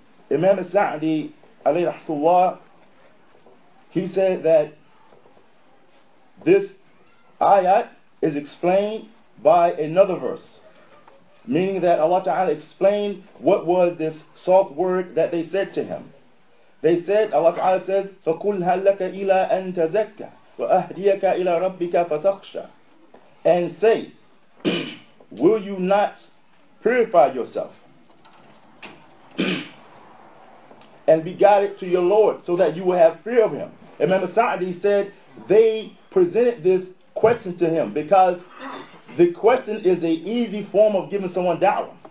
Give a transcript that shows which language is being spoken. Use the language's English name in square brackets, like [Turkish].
[English] Imam al-Sa'di, alayhi rahmatullah, He said that this ayat is explained by another verse, meaning that Allah Ta'ala explained what was this soft word that they said to him. They said, Allah Ta'ala says, [Arabic] فَقُلْ هَلَّكَ إِلَىٰ أَن تَزَكَّى وَأَهْدِيَكَ إِلَىٰ رَبِّكَ فَتَخْشَى. [English] And say, will you not purify yourself and be guided to your Lord so that you will have fear of Him? Imam Sa'di said, they presented this question to him because the question is an easy form of giving someone da'wah.